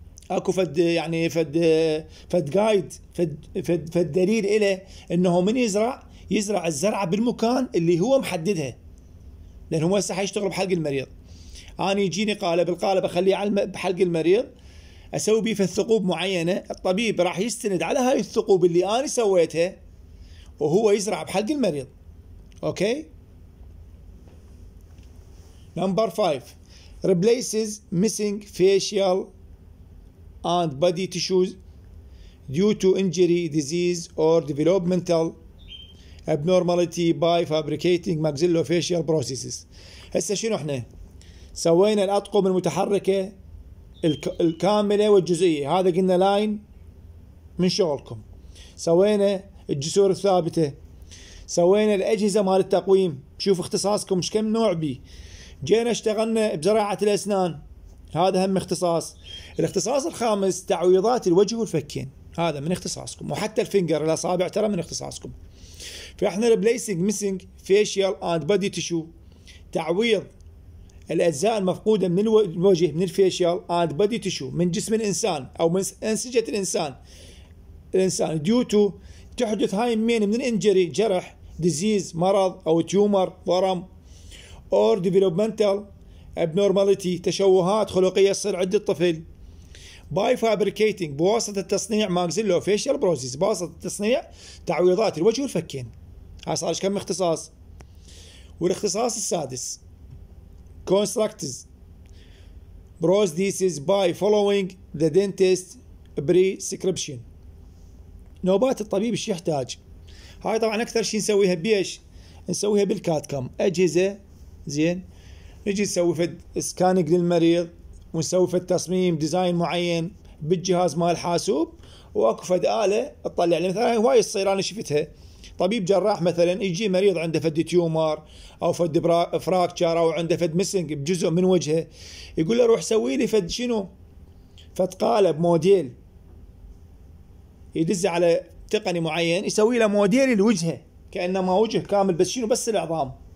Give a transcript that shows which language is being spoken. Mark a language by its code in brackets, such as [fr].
[ar] اكو فد يعني فد جايد فد دليل له انه من يزرع الزرعة بالمكان اللي هو محددها لان هو هسه حيشتغل بحلق المريض انا يجيني قالب القالب اخليه على بحلق المريض أسوي بيه في الثقوب معينة الطبيب راح يستند على هاي الثقوب اللي أنا سويتها وهو يزرع بحلق المريض أوكي؟ [en] Number 5 replaces missing facial and body tissues due to injury, disease or developmental abnormality by fabricating maxillofacial processes. [ar] هسه شنو احنا سوينا؟ الأطقم المتحركة الكاملة والجزئية، هذا قلنا لاين من شغلكم. سوينا الجسور الثابتة، سوينا الأجهزة مال التقويم، شوف اختصاصكم مش كم نوع بي. جينا اشتغلنا بزراعة الأسنان، هذا هم اختصاص. الاختصاص الخامس تعويضات الوجه والفكين، هذا من اختصاصكم، وحتى الفينجر الأصابع ترى من اختصاصكم. فإحنا [en] replacing missing facial and body tissue، [ar] تعويض الأجزاء المفقودة من الوجه، من الفيشيال [en] and body tissue، [ar] من جسم الإنسان أو من أنسجة الإنسان [en] due to [ar] تحدث هاي مين من الانجري، جرح، ديزيز، مرض أو تيومر، ورم [en] or developmental abnormality، [ar] تشوهات خلقية تصير عند الطفل [en] by fabricating، [ar] بواسطة تصنيع [en] maxillofacial processes، [ar] بواسطة تصنيع تعويضات الوجه والفكين. هاي صار كم اختصاص. والاختصاص السادس [en] constructs prostheses by following the dentist prescription، [ar] نوبات الطبيب ايش يحتاج. هاي طبعا اكثر شيء نسويها بيش، نسويها بالكاتكم اجهزة زين، نجي نسوي فد سكانك للمريض ونسوي فد تصميم ديزاين معين بالجهاز مال الحاسوب، واكو فد آلة تطلع لي مثلا. هواي تصير انا شفتها، طبيب جراح مثلا يجي مريض عنده فد تيومر او فد فراكتشر او عنده فد ميسنج بجزء من وجهه، يقول له روح سوي لي فد شنو، فد قالب موديل، يدز على تقني معين يسوي له موديل الوجهة كانما وجه كامل بس شنو، بس العظام.